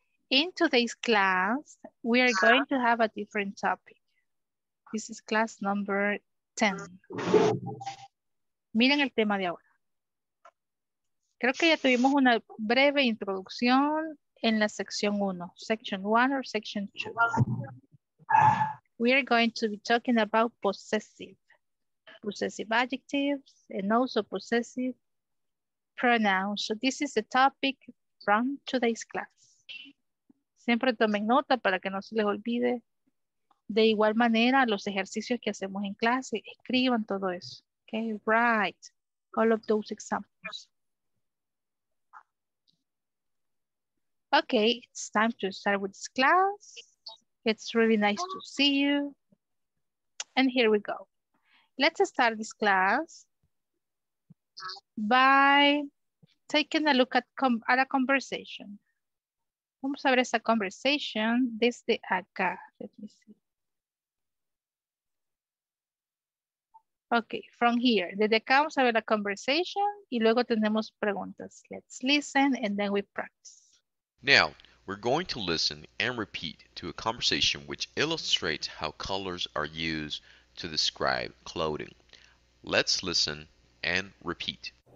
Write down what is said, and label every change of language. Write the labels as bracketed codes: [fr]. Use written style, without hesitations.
[en] In today's class, we are going to have a different topic. This is class number 10. [es] Miren el tema de ahora. Creo que ya tuvimos una breve introducción en la sección 1. [en] Section 1 or section 2. We are going to be talking about possessive. Possessive adjectives and also possessive pronouns. So this is the topic from today's class. [es] Siempre tomen nota para que no se les olvide. De igual manera, los ejercicios que hacemos en clase, escriban todo eso. [en] Okay, right. All of those examples. Okay, it's time to start with this class. It's really nice to see you. And here we go. Let's start this class by taking a look at a conversation. [es] Vamos a ver esa conversation desde acá. [en] Let me see. Okay, from here. [es] Desde acá vamos a ver la conversation y luego tenemos preguntas. [en] Let's listen and then we practice. Now, we're going to listen and repeat to a conversation which illustrates how colors are used to describe clothing. Let's listen and repeat.